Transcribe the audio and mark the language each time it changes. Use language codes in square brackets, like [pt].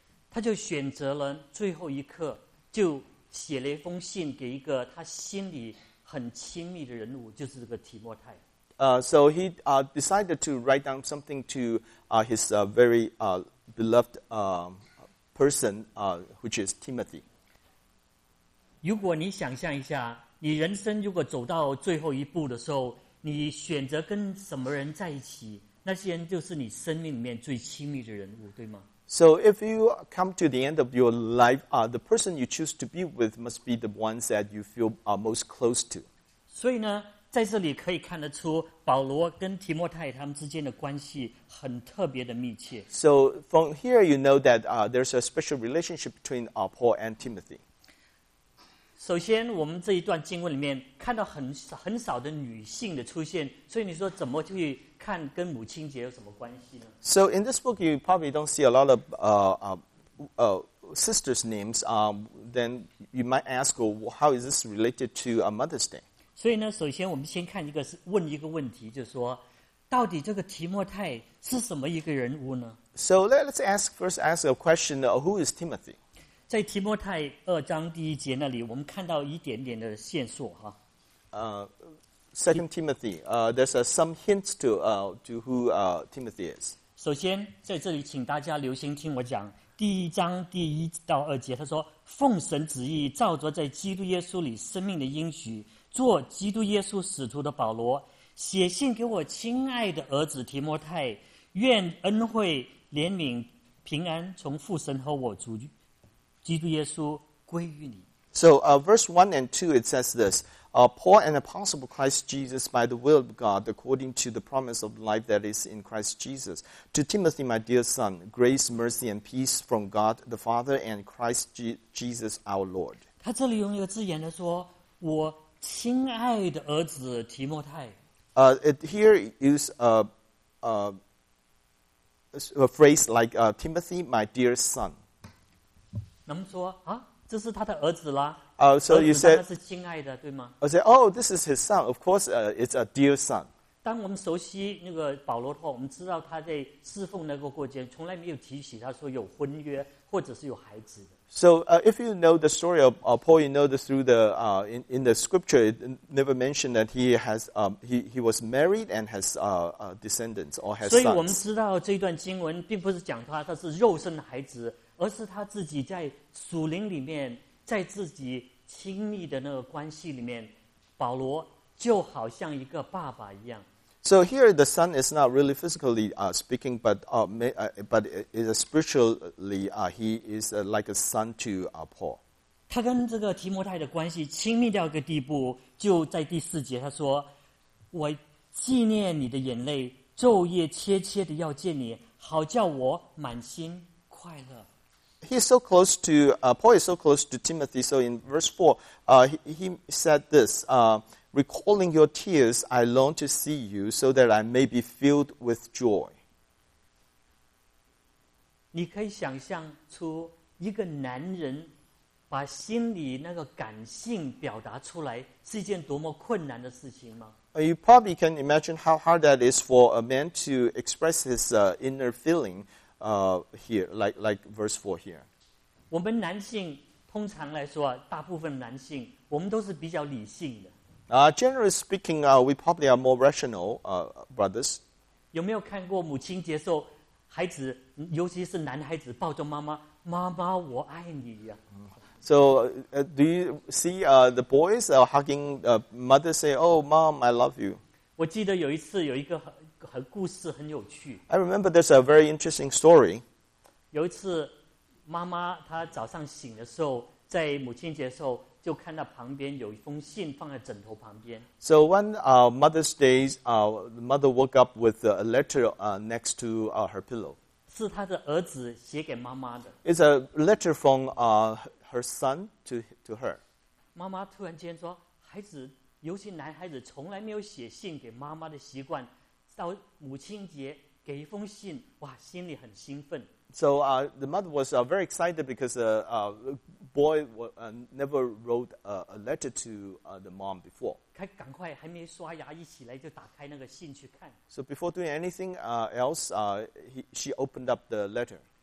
[zh] 他就选择了最后一刻，就写了一封信给一个他心里很亲密的人物，就是这个提摩太。 [en] So he decided to write down something to his very beloved person, which is Timothy. [zh] 如果你想象一下，你人生如果走到最后一步的时候，你选择跟什么人在一起，那些人就是你生命里面最亲密的人物，对吗？ [en] So if you come to the end of your life, the person you choose to be with must be the ones that you feel most close to. [zh] 所以呢，在这里可以看得出保罗跟提摩太他们之间的关系很特别的密切。 [en] So from here you know that there's a special relationship between Paul and Timothy. [zh] 首先我们这一段经文里面看到很少的女性的出现，所以你说怎么去看跟母亲节有什么关系呢？ [en] So in this book you probably don't see a lot of sisters names, then you might ask how is this related to a Mother's Day? [zh] 所以呢，首先我们先看一个问一个问题，就是说到底这个提摩太是什么一个人物呢？ [en] So let's ask a question, who is Timothy? [zh] 在提摩太二章第一节那里，我们看到一点点的线索哈。 [en] Second Timothy, there's some hints to who Timothy is. [zh] 首先，在这里请大家留心听我讲。第一章第一到二节，他说：“奉神旨意，照着在基督耶稣里生命的应许，做基督耶稣使徒的保罗，写信给我亲爱的儿子提摩太，愿恩惠、怜悯、平安从父神和我主。”基督耶稣归于你。 [en] So verse 1 and 2, it says this, Paul, an apostle of Christ Jesus by the will of God, according to the promise of life that is in Christ Jesus. To Timothy, my dear son, grace, mercy, and peace from God the Father and Christ Jesus our Lord. [zh] 他这里用一个字眼来说，我亲爱的儿子提摩太。 [en] Here is a phrase like Timothy, my dear son. [zh] 那么说啊，这是他的儿子啦。 [en] So you said [zh] 是亲爱的，对吗 [en] ？I said, oh, this is his son. Of course, it's a dear son. [zh] 当我们熟悉那个保罗的话，我们知道他在侍奉那个过程从来没有提起他说有婚约或者是有孩子的。 [en] So if you know the story of Paul, you know that through the in the scripture, it never mentioned that he was married and has descendants or has sons. [zh] 所以我们知道这段经文并不是讲他是肉身的孩子，而是他自己在属灵里面，在自己亲密的那个关系里面，保罗就好像一个爸爸一样。 [en] So here the son is not really physically speaking, but it is spiritually, he is like a son to Paul. [zh] 他跟这个提摩太的关系亲密到一个地步，就在第四节他说，我纪念你的眼泪，昼夜切切的要见你，好叫我满心快乐。 [en] Paul is so close to Timothy, so in verse 4, he said this, recalling your tears, I long to see you so that I may be filled with joy. [zh] 你可以想象出一个男人把心里那个感性表达出来是一件多么困难的事情吗？ [en] You probably can imagine how hard that is for a man to express his inner feeling here, like verse 4 here. [zh] 我们男性通常来说，大部分男性，我们都是比较理性的。 [en] Generally speaking, we probably are more rational, brothers. [zh] 有没有看过母亲节时候，孩子，尤其是男孩子抱着妈妈，妈妈我爱你呀。 [en] So, do you see the boys hugging mother, say, "Oh, mom, I love you." [zh] 我记得有一次有一个很故事很有趣。 [en] I remember there's a very interesting story. [zh] 有一次，妈妈她早上醒的时候，在母亲节时候，就看到旁边有一封信放在枕头旁边。 [en] So one Mother's Day, mother woke up with a letter next to her pillow. [zh] 是她的儿子写给妈妈的。 [en] It's a letter from her son to her. [zh] 妈妈突然间说，孩子，尤其男孩子从来没有写信给妈妈的习惯，到母亲节给一封信，哇，心里很兴奋。 [en] So the mother was very excited because boy never wrote a letter to the mom before. [zh] 他赶快还没刷牙一起来就打开那个信去看。 [en] So before doing anything else, she opened up the letter.